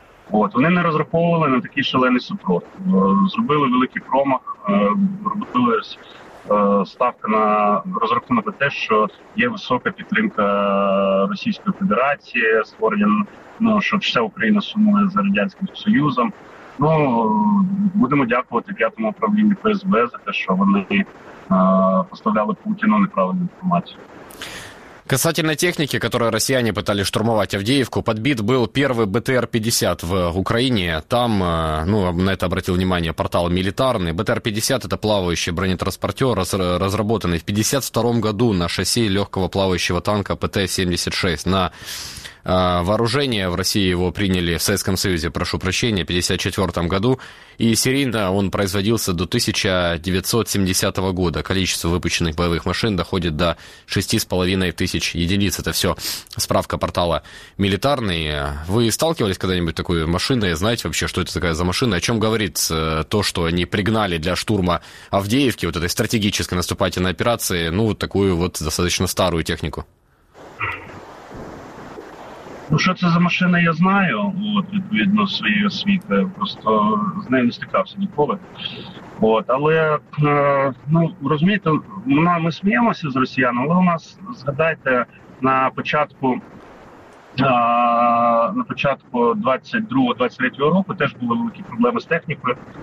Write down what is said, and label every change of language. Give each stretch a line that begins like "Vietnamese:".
Ukrainian: От вони не розраховували на такий шалений супротив. Зробили великий промах, робили ставка на розрахунок на те, що є висока підтримка Російської Федерації, створення, що вся Україна сумує за Радянським Союзом. Ну, будемо дякувати п'ятому управлінню ФСБ за те, що вони поставляли Путіну неправильну інформацію.
Russian: Касательно техники, которую россияне пытали штурмовать Авдеевку, подбит был первый БТР-50 в Украине. Там, ну, на это обратил внимание портал «Милитарный». БТР-50 – это плавающий бронетранспортер, разработанный в 1952 году на шасси легкого плавающего танка ПТ-76. На вооружение в России его приняли в Советском Союзе, прошу прощения, в 1954 году. И серийно он производился до 1970 года. Количество выпущенных боевых машин доходит до 6500 единиц. Это все справка портала «Милитарный». Вы сталкивались когда-нибудь с такой машиной? Знаете вообще, что это такая за машина? О чем говорит то, что они пригнали для штурма Авдеевки, вот этой стратегической наступательной операции, ну, вот такую вот достаточно старую технику?
Ukrainian: Ну, що це за машина, я знаю, от, відповідно своєї освіти, просто з нею не стикався ніколи. От, але, ну, розумієте, ми сміємося з росіян, але у нас, згадайте, на початку 22-23 року теж були великі проблеми з технікою.